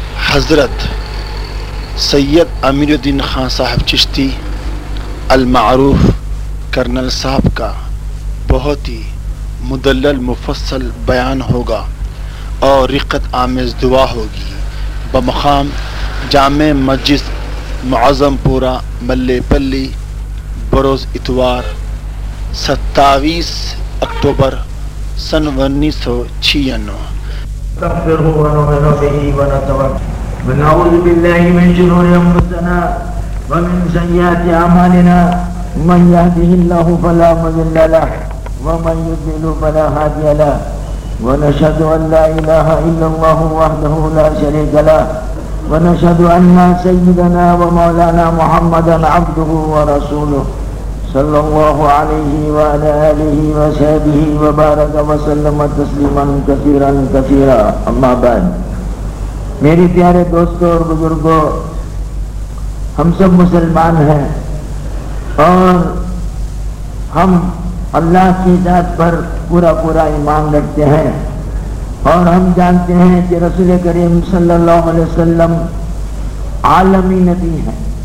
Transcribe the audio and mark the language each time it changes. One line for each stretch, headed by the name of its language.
Urdu: حضرت سید امیر الدین خان صاحب چشتی المعروف کرنل صاحب کا بہت ہی مدلل مفصل بیان ہوگا اور رقت آمیز دعا ہوگی بمقام جامع مسجد معظم پورا ملے پلی بروز اتوار 27 اکتوبر 1996.
Arabic: استغفره ونؤمن به ونتوكل ونعوذ بالله من شرور انفسنا ومن سيئات اعمالنا من يهده الله فلا مضل له ومن يضلل فلا هادي له ونشهد ان لا اله الا الله وحده لا شريك له ونشهد ان سيدنا ومولانا محمدا عبده ورسوله صلى الله عليه وعلى اله وصحبه وبارك وسلم تسليما كثيرا كثيرا.
Urdu: اما بعد، میرے پیارے دوستو اور بزرگو، ہم سب مسلمان ہیں اور ہم اللہ کی ذات پر پورا پورا ایمان رکھتے ہیں، اور ہم جانتے ہیں کہ رسول کریم صلی اللہ علیہ وسلم عالمی نبی ہیں.